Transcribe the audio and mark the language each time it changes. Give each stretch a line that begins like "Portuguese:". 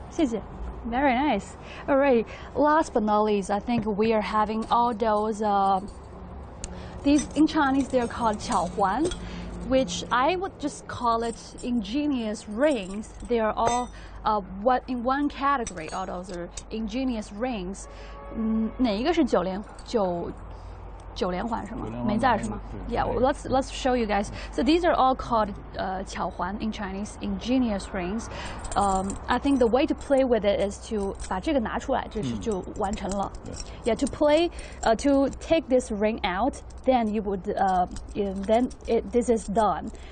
Chinese: 谢谢
English: Very nice. All right. Last but not least, I think we are having all those, these in Chinese, they're called 巧环, which I would just call it ingenious rings. They are all in one category, all those are ingenious rings.
Chinese: 哪一个是九连九九连环是吗？没在是吗？
English: Yeah, well, let's show you guys. So these are all called 巧环 in Chinese, ingenious rings. I think the way to play with it is to
Chinese: 把这个拿出来，就是就完成了。
English: Yeah, to play, to take this ring out, then you would, then it, this is done.